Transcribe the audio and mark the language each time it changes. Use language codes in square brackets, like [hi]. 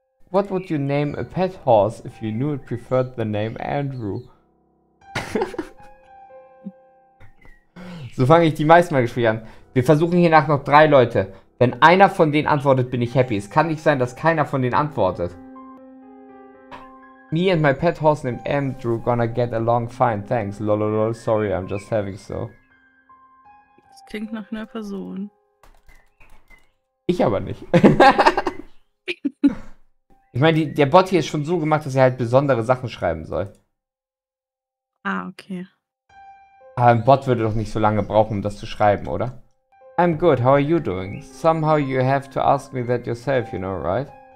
[en] What would you name a pet horse if you knew it preferred the name Andrew? [de] So fange ich die meisten mal Gespräche an. Wir versuchen hiernach noch 3 Leute. Wenn einer von denen antwortet, bin ich happy. Es kann nicht sein, dass keiner von denen antwortet. [en] Me and my pet horse named Andrew gonna get along fine, thanks. Lololol, sorry, I'm just having so. [de] Klingt nach einer Person. Ich aber nicht. Ich meine, der Bot hier ist schon so gemacht, dass er halt besondere Sachen schreiben soll. Ah, okay. Aber ein Bot würde doch nicht so lange brauchen, um das zu schreiben, oder? [en] I'm good, how are you doing? Somehow you have to ask me that yourself, you know, right?